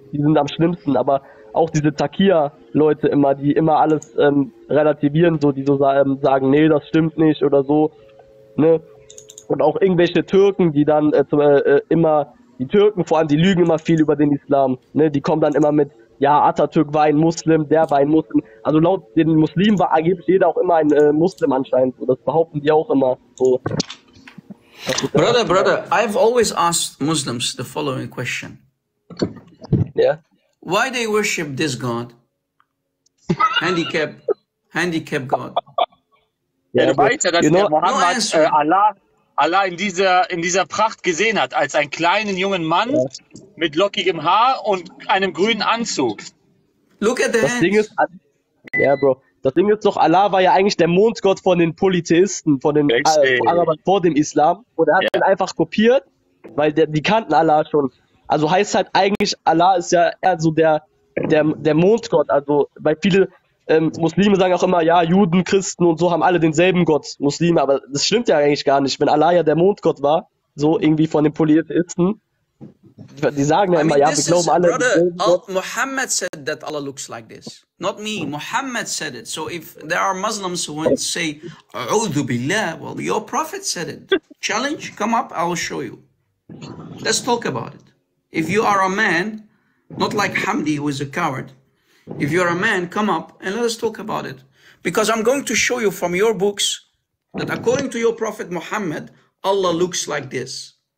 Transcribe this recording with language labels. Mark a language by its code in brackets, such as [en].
[de] Die sind am schlimmsten, aber auch diese Takia-Leute immer, die immer alles relativieren, so, die so sagen, nee, das stimmt nicht oder so, ne? Und auch irgendwelche Türken, die dann immer, die Türken vor allem, die lügen immer viel über den Islam, ne? Die kommen dann immer mit, ja, Atatürk war ein Muslim, der war ein Muslim. Also laut den Muslimen war angeblich jeder auch immer ein Muslim anscheinend. So, das behaupten die auch immer. So. [en] Brother, I've always asked Muslims the following question. Yeah? Why they worship this God? Handicap God. [de] Yeah, du weißt ja, dass der Mohammed no Allah in dieser Pracht gesehen hat, als einen kleinen jungen Mann mit lockigem Haar und einem grünen Anzug. [en] Look at the hands. [de] Das Ding ist doch, Allah war ja eigentlich der Mondgott von den Polytheisten, von den Arabern vor dem Islam. Und er hat ihn einfach kopiert, weil die kannten Allah schon. Also heißt halt eigentlich, Allah ist ja eher so der Mondgott. Also, weil viele Muslime sagen auch immer, ja, Juden, Christen und so haben alle denselben Gott, Muslime. Aber das stimmt ja eigentlich gar nicht, wenn Allah ja der Mondgott war, so irgendwie von den Polytheisten. Die sagen ja immer, ja, wir glauben alle. [en] Muhammad said that Allah looks like this. Not me, Muhammad said it. So if there are Muslims who want to say, A'udhu Billah, well, your prophet said it. Challenge, come up, I will show you. Let's talk about it. If you are a man, not like Hamdi, who is a coward. If you are a man, come up and let us talk about it. Because I'm going to show you from your books that according to your prophet Muhammad, Allah looks like this.